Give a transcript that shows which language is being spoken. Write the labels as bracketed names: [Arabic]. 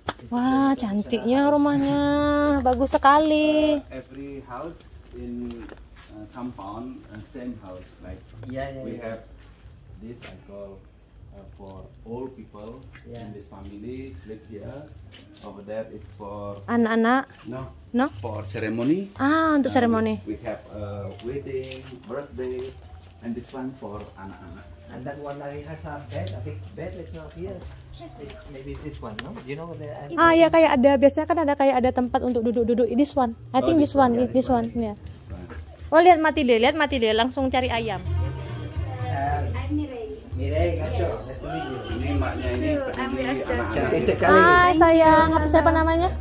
[Indonesian] Wah, cantiknya rumahnya, bagus sekali. [English] Every house in compound, same house, like we have this, I call for old people in this family sleep here. Over there is for [Indonesian] anak-anak. [English] No. No. For ceremony. [Indonesian] Ah, untuk ceremony. [English] We have a wedding, birthday, and this one for [Indonesian] anak-anak. [English] And that one that has a big bed, it's not here. Maybe this one, no? Do you know the? [Indonesian] Ah, ya, kayak ada. Biasanya kan ada kayak ada tempat untuk duduk-duduk. [English] This one. I think this one. Yeah. Right. [Indonesian] Oh, lihat mati deh. Langsung cari ayam. Mirei, ini maknya ini. Hai sayang, apa siapa namanya?